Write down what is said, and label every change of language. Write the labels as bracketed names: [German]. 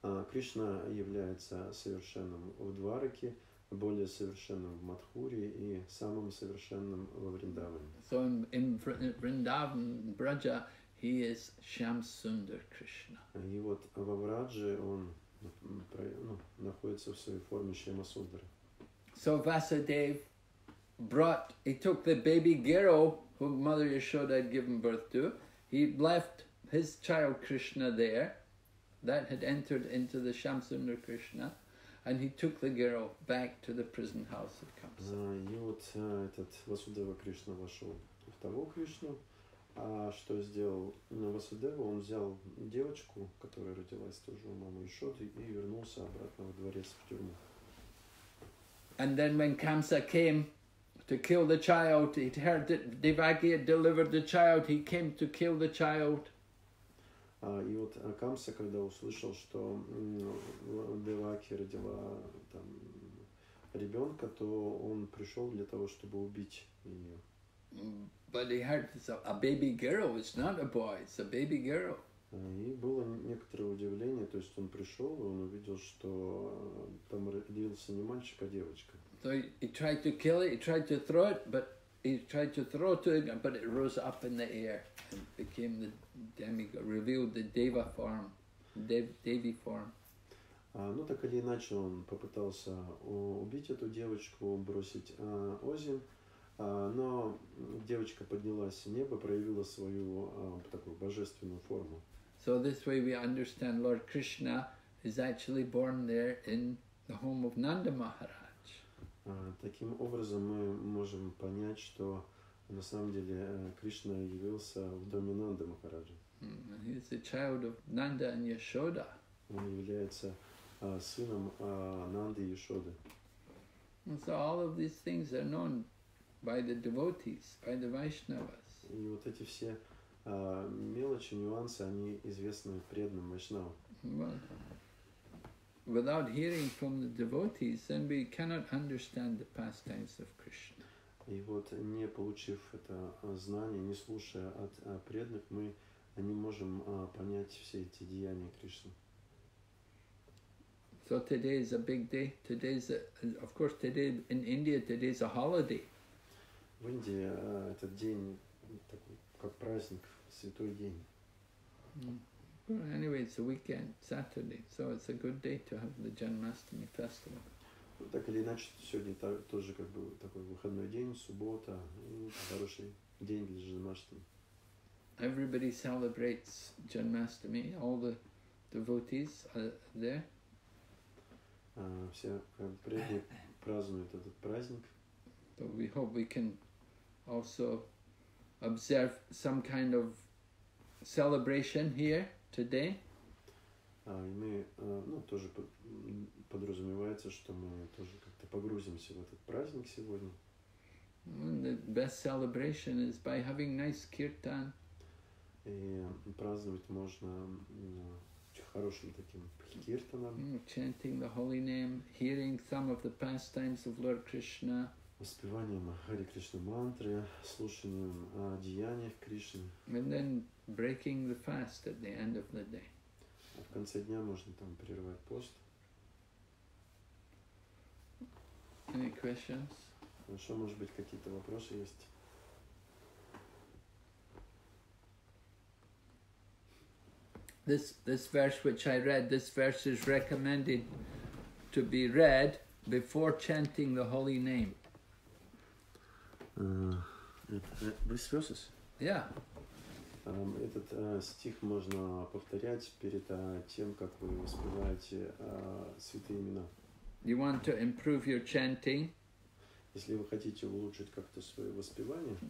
[Russian] Кришна является совершенным в Двараке, более совершенным в Матхуре и самым совершенным во Вриндаване. [English] So in Vrindavan, Braja, he is Shamsundara Krishna. [Russian] И вот во Врадже он, ну, находится в своей форме Шамсундара. [English] So Vasudev brought, he took the baby Giro, whom Mother Yashoda had given birth to, he left his child Krishna there, that had entered into the Shamsundara Krishna, and he took the girl back to the prison house of Kamsa. [Russian] И вот этот Васудева Кришна вошел в того Кришну, а что сделал Васудева, он взял девочку, которая родилась тоже у мамы Яшоды, и вернулся обратно в дворец, в тюрьму. [English] And then when Kamsa came to kill the child, he heard that Devaki had delivered the child, he came to kill the child. [Russian] И вот Камса, когда услышал, что Деваки родила там ребенка, то он пришел для того, чтобы убить ее. [English] But he heard it's a baby girl, it's not a boy, it's a baby girl. [Russian] И было некоторое удивление, то есть он пришел и он увидел, что там родился не мальчик, а девочка. [English] So he tried to kill it, he tried to throw it, but it rose up in the air and became the demigod, revealed the deva form, devi form. [Russian] Ну так или иначе он попытался убить эту девочку, бросить озим, но девочка поднялась в небо, проявила свою такую божественную форму. [English] So this way we understand Lord Krishna is actually born there in the home of Nanda Maharaj. [Russian] Таким образом мы можем понять, что на самом деле Кришна явился в доме Нанды Махараджи. [English] He is the child of Nanda and Yashoda. [Russian] Он является сыном Нанды и Яшоды. [English] So all of these things are known by the devotees, by the Vaishnavas. [Russian] И вот эти все мелочи, нюансы, они известны преданным Вайшнавам. [English] Without hearing from the devotees, then we cannot understand the pastimes of Krishna. [Russian] И вот, не получив это знание, не слушая от преданных, мы не можем понять все эти деяния Кришны. [English] So today is a big day. Today in India, today is a holiday. [Russian] В Индии этот день такой, как праздник, святой день. [English] Well, anyway, it's a weekend, Saturday, so it's a good day to have the Janmashtami festival. [Russian] Ну, так или иначе, сегодня тоже как бы такой выходной день, суббота, и хороший день для Janmashtami. [English] Everybody celebrates Janmashtami, all the devotees are there. [Russian] Все преданные празднуют этот праздник. [English] But we hope we can also observe some kind of celebration here. Today. [Russian] Мы тоже подразумевается, что мы тоже как-то погрузимся в этот праздник сегодня. [English] The best celebration is by having nice kirtan. [Russian] И праздновать можно хорошим таким киртаном. [English] Chanting the holy name, hearing some of the pastimes of Lord Krishna. [Russian] воспеванием Хари Кришна мантры, слушанием деяний Кришны. [English] And then breaking the fast at the end of the day. [Russian] В конце дня можно там прервать пост. [English] Any questions? [Russian] Хорошо, может быть, какие-то вопросы есть? [English] This verse which I read, this verse is recommended to be read before chanting the holy name. These verses? Yeah. [Russian] Этот стих можно повторять перед тем, как вы воспеваете святые имена. [English] You want to improve your chanting? [Russian] Если вы хотите улучшить как-то свое воспевание,